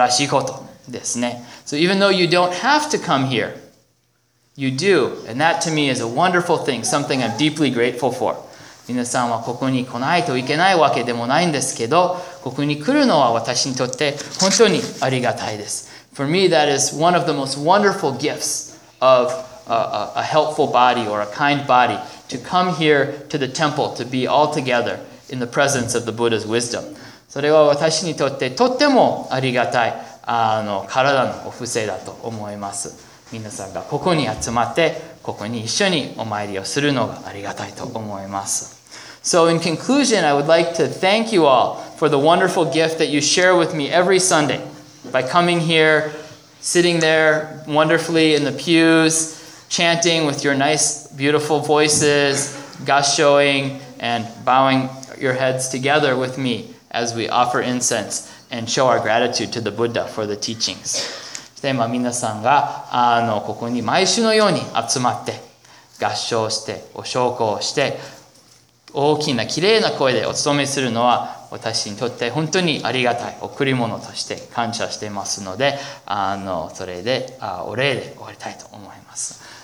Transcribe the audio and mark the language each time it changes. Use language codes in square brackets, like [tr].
[en] So even though you don't have to come here, you do. And that to me is a wonderful thing, something I'm deeply grateful for. [ja] 皆さんはここに来ないといけないわけでもないんですけど、ここに来るのは私にとって本当にありがたいです。 [en] For me, that is one of the most wonderful gifts of a helpful body or a kind body to come here to the temple to be all together in the presence of the Buddha's wisdom. [ja] それは私にとってとってもありがたい体のお布施だと思います。皆さんがここに集まってここに一緒にお参りをするのがありがたいと思います。 [en] So in conclusion, I would like to thank you all for the wonderful gift that you share with me every Sunday by coming here, sitting there wonderfully in the pews, chanting with your nice, beautiful voices, gassho-ing and bowing your heads together with me as we offer incense and show our gratitude to the Buddha for the teachings. [ja] で、まあ、皆さんがここに毎週のように集まって合唱してお焼香をして大きな綺麗な声でお勤めするのは私にとって本当にありがたい贈り物として感謝していますのでそれでお礼で終わりたいと思います。